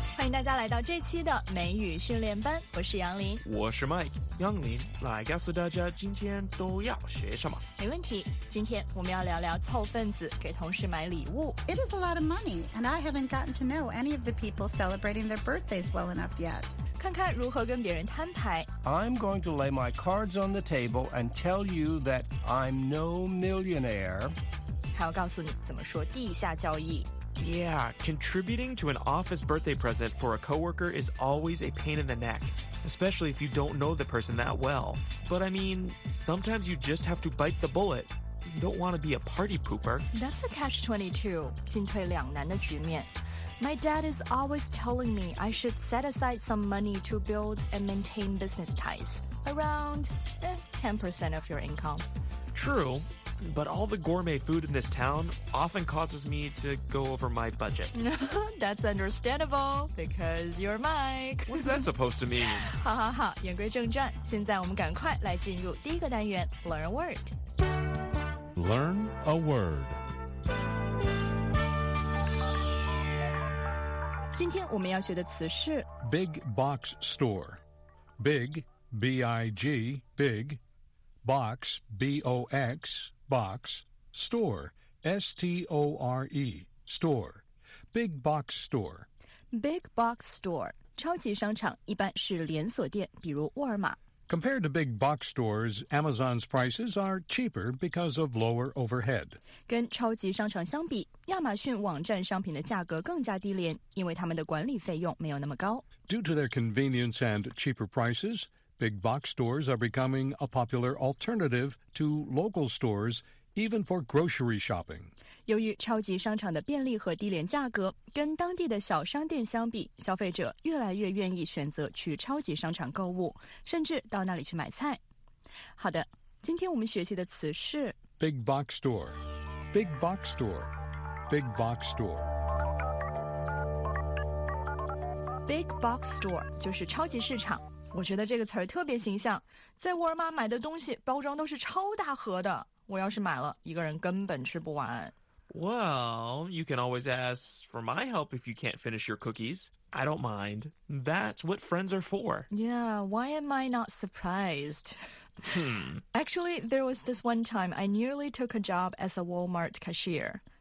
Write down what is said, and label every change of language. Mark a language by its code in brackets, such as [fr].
[zh] 迎大家来到这期的美语训练班，我是杨林，我是 Mike。杨林来告诉大家今天都要学什么。没问题，今天我们要聊聊凑份子给同事买礼物。 [en] It is a lot of money, and I haven't gotten to know any of the people celebrating their birthdays well enough yet. [zh] 看看如何跟别人摊牌。 [en] I'm going to lay my cards on the table and tell you that I'm no millionaire. [zh] 还要告诉你怎么说地下交易。 [en] Yeah, contributing to an office birthday present for a coworker is always a pain in the neck, especially if you don't know the person that well. But I mean, sometimes you just have to bite the bullet. You don't want to be a party pooper. That's a catch-22, [zh] 进退两难的局面。 [en] My dad is always telling me I should set aside some money to build and maintain business ties. Around 10% of your income. True, but all the gourmet food in this town often causes me to go over my budget. That's understandable, because you're Mike. What's that supposed to mean? [zh] 哈哈哈，言归正传，现在我们赶快来进入第一个单元 Learn a Word. [en] Learn a Word. [zh] 今天我们要学的词是 [en] Big Box Store. Big, B-I-G, Big, Box, B-O-X, Box, Store, S-T-O-R-E, Store. Big Box Store. Big Box Store. [zh] 超级商场一般是连锁店，比如沃尔玛。 [en] Compared to big box stores, Amazon's prices are cheaper because of lower overhead. [zh] 跟超级商场相比，亚马逊网站商品的价格更加低廉，因为他们的管理费用没有那么高。 [en] Due to their convenience and cheaper prices, big box stores are becoming a popular alternative to local stores, even for grocery shopping. [zh] 由于超级商场的便利和低廉价格，跟当地的小商店相比，消费者越来越愿意选择去超级商场购物，甚至到那里去买菜。好的，今天我们学习的词是 [en] Big box store, big box store, big box store. [zh] Big box store 就是超级市场，我觉得这个词儿特别形象。在沃尔玛买的东西包装都是超大盒的，我要是买了，一个人根本吃不完。 [en] Well, you can always ask for my help if you can't finish your cookies. I don't mind. That's what friends are for. Yeah, why am I not surprised? Actually, there was this one time I nearly took a job as a Walmart cashier.